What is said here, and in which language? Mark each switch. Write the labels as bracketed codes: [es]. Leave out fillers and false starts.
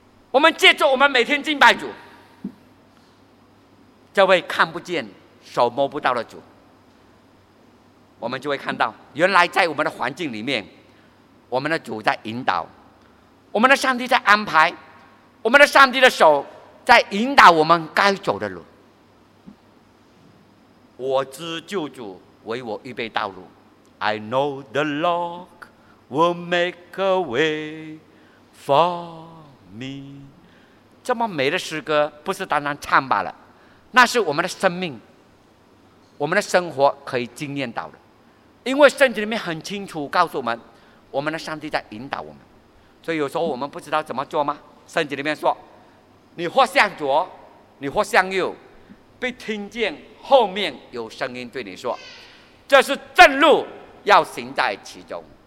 [zh] 我们借助我们每天敬拜主，这位看不见手摸不到的主，我们就会看到原来在我们的环境里面，我们的主在引导，我们的上帝在安排，我们的上帝的手在引导我们该走的路。我知救主为我预备道路， [en] I know the Lord will make a way for me。 [zh] 这么美的诗歌不是单单唱罢了，那是我们的生命，我们的生活可以经验到的。因为圣经里面很清楚告诉我们，我们的上帝在引导我们。所以有时候我们不知道怎么做吗？圣经里面说，你或向左，你或向右，被听见后面有声音对你说，这是正路，要行在其中。